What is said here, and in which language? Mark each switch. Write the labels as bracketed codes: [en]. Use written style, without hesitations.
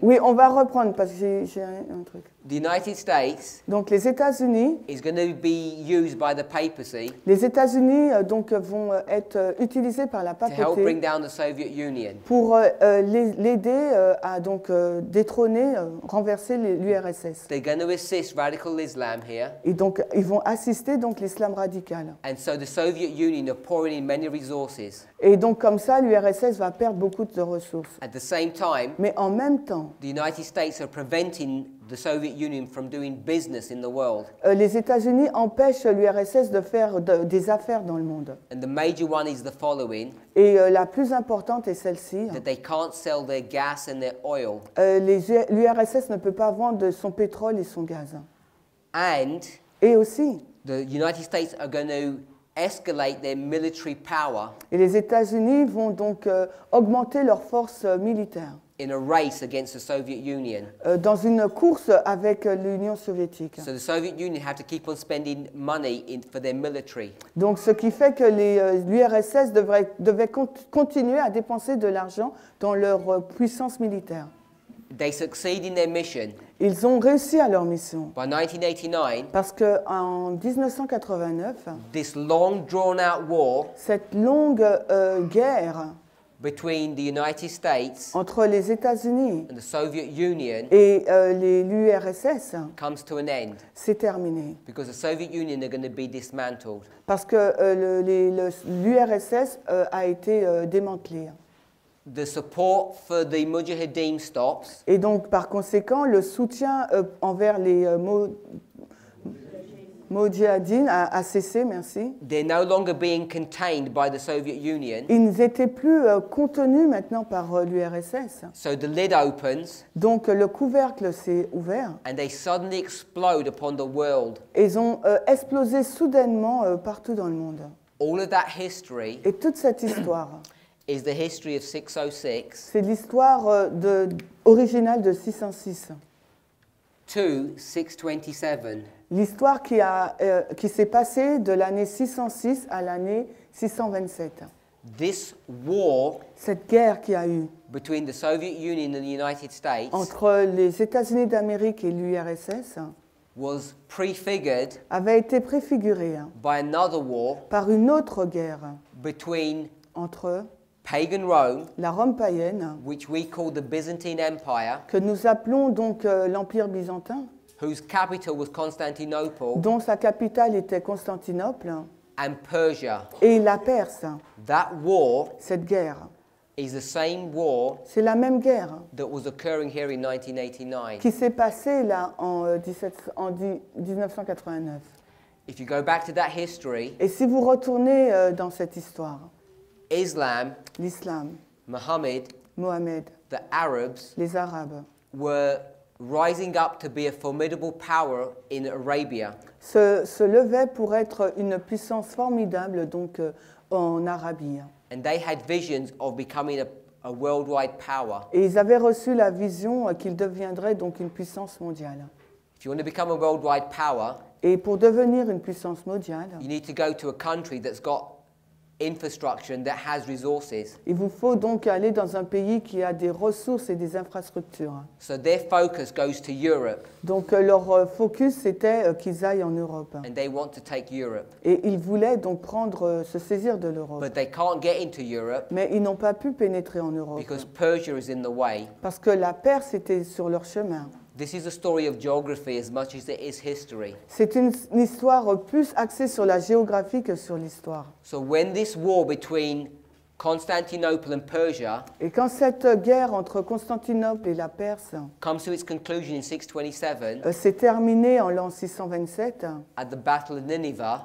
[fr] Oui, on va reprendre parce que j'ai un truc. [en] The United States. [fr] Donc les États-Unis. [en] Is going to be used by the papacy. [fr] Les États-Unis donc vont être utilisés par la papauté. [en] To help bring down the Soviet Union. [fr] Pour l'aider à donc détrôner, renverser l'URSS. [en] They're going to assist radical Islam here. [fr] Et donc ils vont assister donc l'islam radical. [en] And so the Soviet Union are pouring in many resources. [fr] Et donc comme ça l'URSS va perdre beaucoup de ressources. [en] At the same time. [fr] Mais en même temps. [en] The United States are preventing the Soviet Union from doing business in the world. [fr] Les États-Unis empêchent l'URSS de faire des affaires dans le monde. [en] And the major one is the following. [fr] Et la plus importante est celle-ci. [en] That they can't sell their gas and their oil. [fr] L'URSS ne peut pas vendre son pétrole et son gaz. [en] And [fr] et aussi, [en] the United States are going to escalate their military power. [fr] Et les États-Unis vont donc augmenter leurs forces militaires. [en] In a race against the Soviet Union. [fr] Dans une course avec l'Union soviétique. [en] So the Soviet Union have to keep on spending money for their military. [fr] Donc ce qui fait que l'URSS devait continuer à dépenser de l'argent dans leur puissance militaire. [en] They succeed in their mission. [fr] Ils ont réussi à leur mission. [en] By 1989. [fr] Parce que en 1989. [en] This long drawn out war. [fr] Cette longue guerre. [en] Between the United States [fr] entre les États-Unis [en] and the Soviet Union [fr] et l'URSS [en] comes to an end. [fr] C'est terminé. [en] Because the Soviet Union are going to be dismantled. [fr] Parce que l'URSS a été démantelé. [en] The support for the Mujahideen stops. [fr] Et donc, par conséquent, le soutien envers les Mujahideen a cessé, merci. [en] They're no longer being contained by the Soviet Union. [fr] Ils n'étaient plus contenus maintenant par l'URSS. [en] So the lid opens. [fr] Donc le couvercle s'est ouvert. [en] And they suddenly explode upon the world. [fr] Ils ont explosé soudainement partout dans le monde. [en] All of that history. [fr] Et toute cette histoire. [en] Is the history of 606. [fr] C'est l'histoire originale de 606. [en] To 627. [fr] L'histoire qui s'est passée de l'année 606 à l'année 627. [en] This war, [fr] cette guerre qui a eu [en] between the Soviet Union and the United States, [fr] entre les États-Unis d'Amérique et l'URSS, [en] was prefigured, [fr] avait été préfigurée, [en] by another war, [fr] par une autre guerre [en] between, [fr] entre [en] pagan Rome, [fr] la Rome païenne, [en] which we call the Byzantine Empire, [fr] que nous appelons donc l'Empire byzantin, [en] whose capital was Constantinople, [fr] dont sa capitale était Constantinople, [en] and Persia. [fr] Et la Perse. [en] That war, [fr] cette guerre, [en] is the same war, [fr] c'est la même guerre, [en] that was occurring here in 1989. [fr] Qui s'est passée là en 1989. [en] If you go back to that history, [fr] et si vous retournez dans cette histoire, [en] Islam, [fr] l'islam, [en] Mohammed, the Arabs, [fr] les Arabes, [en] were rising up to be a formidable power in Arabia. [fr] Se levait pour être une puissance formidable donc en Arabie. [en] And they had visions of becoming a worldwide power. [fr] Et ils avaient reçu la vision qu'ils deviendraient donc une puissance mondiale. [en] If you want to become a worldwide power, [fr] et pour devenir une puissance mondiale, [en] you need to go to a country that's got infrastructure and that has resources. [fr] Il vous faut donc aller dans un pays qui a des ressources et des infrastructures. [en] So their focus goes to Europe. [fr] Donc leur focus c'était qu'ils aillent en Europe. [en] And they want to take Europe. [fr] Et ils voulaient donc prendre se saisir de l'Europe. [en] But they can't get into Europe. [fr] Mais ils n'ont pas pu pénétrer en Europe. [en] Because Persia is in the way. [fr] Parce que la Perse était sur leur chemin. [en] This is a story of geography as much as it is history. [fr] C'est une histoire plus axée sur la géographie que sur l'histoire. [en] So when this war between Constantinople and Persia. [fr] Et quand cette guerre entre Constantinople et la Perse [en] comes to its conclusion in 627, [fr] s'est terminée en l'an 627, [en] at the Battle of Nineveh,